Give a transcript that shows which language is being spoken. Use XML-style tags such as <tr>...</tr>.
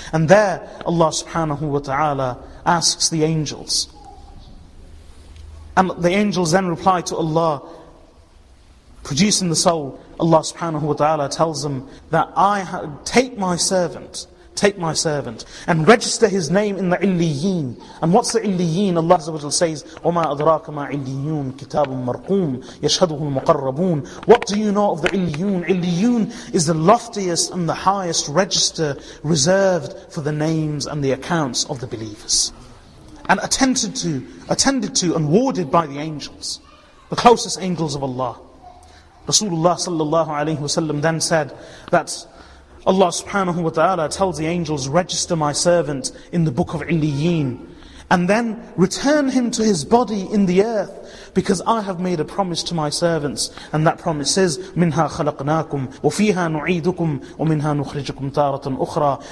<en>And there Allah subhanahu wa ta'ala asks the angels. And the angels then reply to Allah, producing the soul. Allah subhanahu wa ta'ala tells them that take my servant, and register his name in the Illiyin. And what's the Illiyin? Allah Azza wa Jalla says,</en> <ar>وَمَا أَدْرَاكَ مَا عِلِّيُّونَ كِتَابٌ مَرْقُومٌ يَشْهَدُهُ الْمُقَرَّبُونَ.</ar> <en>What do you know of the Illiyin? Illiyin is the loftiest and the highest register reserved for the names and the accounts of the believers. And attended to and warded by the angels, the closest angels of Allah. Rasulullah sallallahu alayhi wa sallam then said that Allah subhanahu wa ta'ala tells the angels, register my servant in the book of Illiyin, and then return him to his body in the earth, because I have made a promise to my servants, and that promise is,</en> <ar>مِنْهَا خَلَقْنَاكُمْ وَفِيهَا نُعِيدُكُمْ وَمِنْهَا نُخْرِجُكُمْ تَارَةً أُخْرَى.</ar>